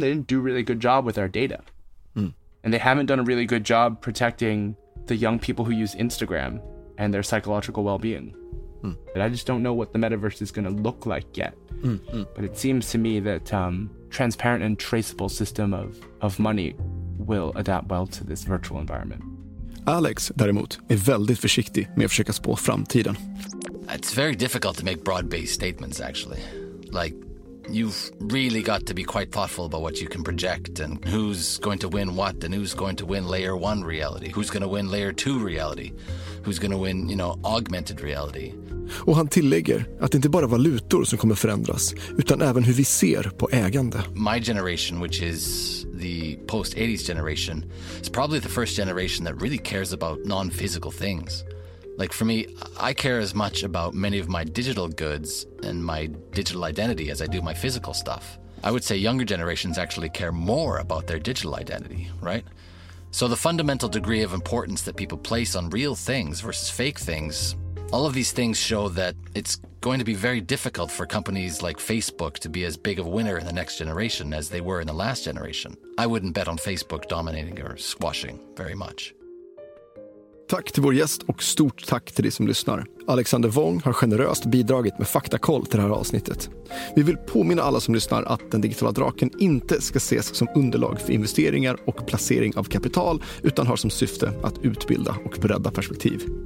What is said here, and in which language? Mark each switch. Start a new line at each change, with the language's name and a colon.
English: They didn't do a really good job with our data. Mm. And they haven't done a really good job protecting the young people who use Instagram and their psychological well-being. Mm. But I just don't know what the metaverse is going to look like yet. Mm. But it seems to me that transparent and traceable system of money will adapt well to this virtual environment.
Swedish: Alex, däremot, är väldigt försiktig med att försöka spå framtiden.
English: It's very difficult to make broad-based statements, actually. Like, you've really got to be quite thoughtful about what you can project and who's going to win what and who's going to win layer one reality, who's going to win layer two reality, who's going to win, you know, augmented reality.
Swedish: Och han tillägger att det inte bara valutor som kommer förändras, utan även hur vi ser på ägande.
English: My generation, which is the post-80s generation, is probably the first generation that really cares about non-physical things. Like for me, I care as much about many of my digital goods and my digital identity as I do my physical stuff. I would say younger generations actually care more about their digital identity, right? So the fundamental degree of importance that people place on real things versus fake things, all of these things show that it's going to be very difficult for companies like Facebook to be as big of a winner in the next generation as they were in the last generation. I wouldn't bet on Facebook dominating or squashing very much.
Swedish: Tack till vår gäst och stort tack till dig som lyssnar. Alexander Wong har generöst bidragit med faktakoll till det här avsnittet. Vi vill påminna alla som lyssnar att den digitala draken inte ska ses som underlag för investeringar och placering av kapital, utan har som syfte att utbilda och bredda perspektiv.